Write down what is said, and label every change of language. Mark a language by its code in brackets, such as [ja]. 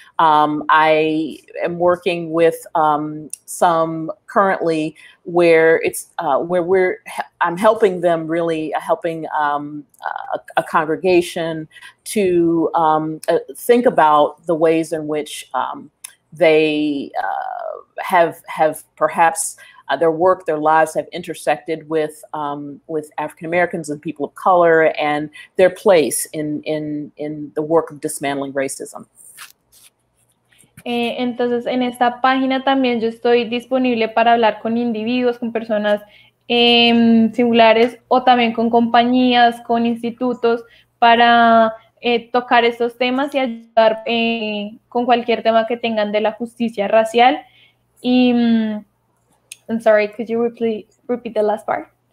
[en] I am working with some currently I'm helping them, really helping a congregation to think about the ways in which they have perhaps their work, their lives have intersected with African Americans and people of color and their place in the work of dismantling racism. [es] Entonces, en esta página también yo estoy disponible para hablar con individuos, con personas singulares o también con compañías, con institutos para tocar estos temas y ayudar con cualquier tema que tengan de la justicia racial. [en] I'm sorry, could you repeat the last part?